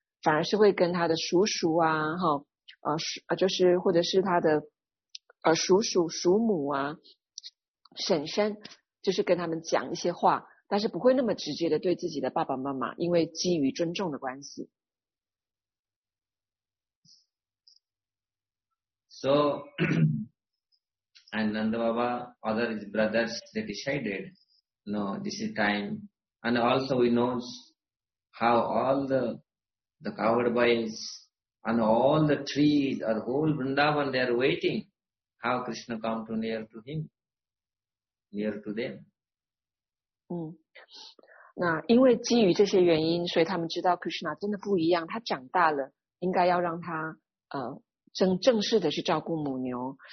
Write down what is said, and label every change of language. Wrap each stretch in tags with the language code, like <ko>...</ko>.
<zh>反而是会跟他的叔叔啊，就是或者是他的叔叔叔母啊婶婶，就是跟他们讲一些话，但是不会那么直接的对自己的爸爸妈妈，因为基于尊重的关系。</zh> <en>So and Nanda Baba other his brothers they decided no this is time and also we know how all the cowherd boys and all the trees or whole Vrindavan they are waiting how Krishna come to near to him near to them.</en> <zh>那因为基于这些原因，所以他们知道 Krishna 真的不一样，他长大了应该要让他正式的去照顾母牛。</zh>